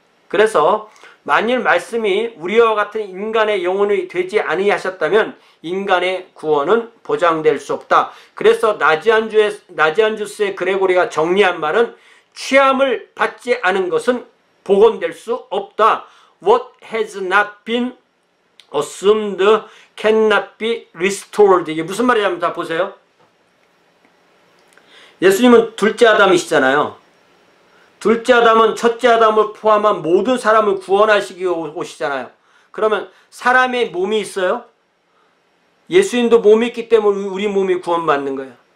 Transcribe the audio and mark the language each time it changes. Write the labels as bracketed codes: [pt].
[ko] 그래서 만일 말씀이 우리와 같은 인간의 영혼이 되지 아니하셨다면 인간의 구원은 보장될 수 없다. 그래서 나지안주스의 그레고리가 정리한 말은 취함을 받지 않은 것은 복원될 수 없다. [en] What has not been assumed cannot be restored. [ko] 이게 무슨 말이냐면 다 보세요. 예수님은 둘째 아담이시잖아요. 둘째 아담은 첫째 아담을 포함한 모든 사람을 구원하시기 오시잖아요. 그러면 사람의 몸이 있어요? 예수님도 몸이 있기 때문에 우리 몸이 구원받는 거예요.